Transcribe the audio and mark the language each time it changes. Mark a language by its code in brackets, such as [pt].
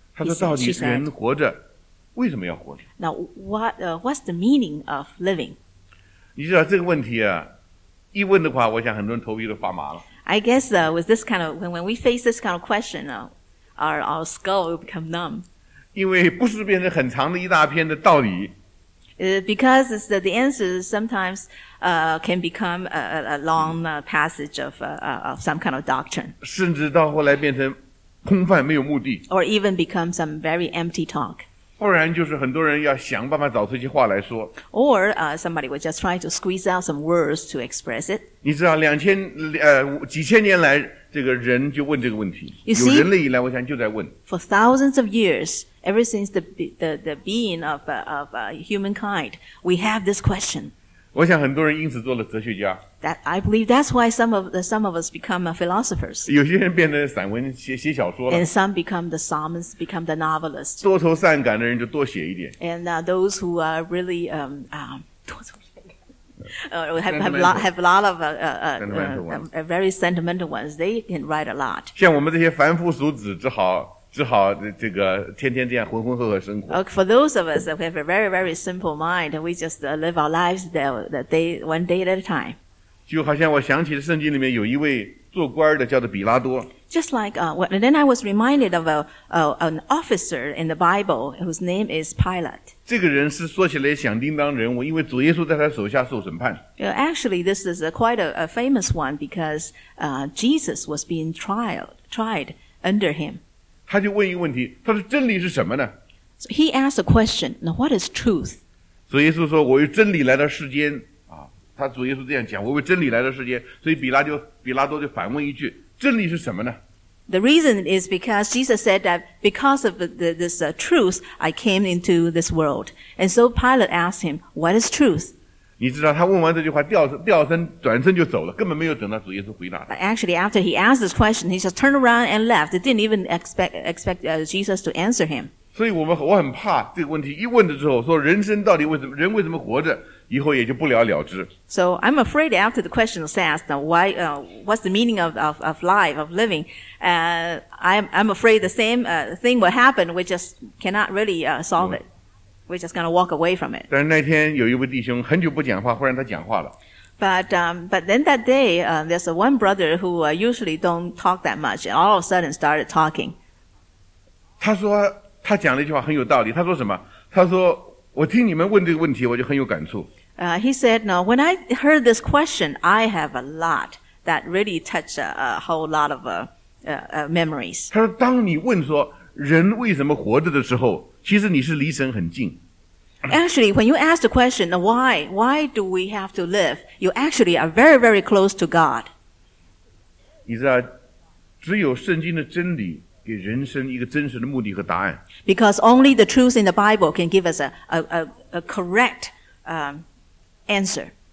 [zh] 她说到底人活着为什么要活着 [en] Now, what's the meaning of living? [zh] 你知道这个问题啊一问的话我想很多人头皮都发麻了 [en] I guess with this kind of, when we face this kind of question,Our skull will become numb. [zh] 因为不是变成很长的一大篇的道理。 [en] Because it's the answer sometimes can become a long passage of some kind of doctrine. [zh] 甚至到后来变成空泛没有目的。 [en] Or even become some very empty talk. [zh] 不然就是很多人要想办法找出一些话来说。 [en] Or somebody would just try to squeeze out some words to express it. [zh] 你知道两千几千年来这个人就问这个问题 [en] you see, [zh] 有人类以来我想就在问 [en] For thousands of years ever since the being of humankind we have this question [zh] 我想很多人因此做了哲学家 [en] that, I believe that's why some of us become philosophers [zh] 有些人变成散文 写小说了 [en] and some become the psalmist become the novelist [zh] 多愁善感的人就多写一点 [en] and those who are really [zh] 多愁 [en] have a lot of very sentimental ones. They can write a lot. [zh] 像我们这些凡夫俗子，只好这个天天这样浑浑噩噩生活。 [en] For those of us that have a very very simple mind, we just live our lives one day at a time. [zh] 就好像我想起了圣经里面有一位做官的，叫做比拉多。 [en] Just like then I was reminded of an officer in the Bible whose name is Pilate. [zh] 这个人是说起来响叮当人物，因为主耶稣在他手下受审判。 [en] Actually, this is quite a famous one because Jesus was being tried under him. [zh] 他就问一个问题，他说真理是什么呢 [en] ？So he asked a question. Now, what is truth? [zh] 主耶稣说，我为真理来到世间。他主耶稣这样讲，我为真理来到世间。所以比拉多就反问一句。真理是什么呢 [en] The reason is because Jesus said that because of this truth, I came into this world. And so Pilate asked him, what is truth? [zh] 你知道他问完这句话掉身转身就走了根本没有等到主耶稣回答他。 [en] Actually, after he asked this question, he just turned around and left. He didn't even expect Jesus to answer him. [zh] 所以我很怕这个问题一问了之后说人生到底为什么人为什么活着以后也就不了了之。 [en] So I'm afraid after the question is asked, why, what's the meaning of life, of living? I'm afraid the same thing will happen. We just cannot really solve it. We're just going to walk away from it. [zh] 但是那天有一位弟兄很久不讲话，忽然他讲话了。 [en] But then that day, there's one brother who usually don't talk that much, and all of a sudden started talking. [zh] 他说他讲了一句话很有道理。他说什么？他说我听你们问这个问题，我就很有感触。 [en] He said, "No, when I heard this question, I have a lot that really touched a whole lot of memories." [zh] 他说当你问说人为什么活着的时候，其实你是离神很近。 [en] Actually, when you ask the question, why do we have to live? You actually are very, very close to God. [zh] 你知道，只有圣经的真理给人生一个真实的目的和答案。 [en] Because only the truth in the Bible can give us a correct answer.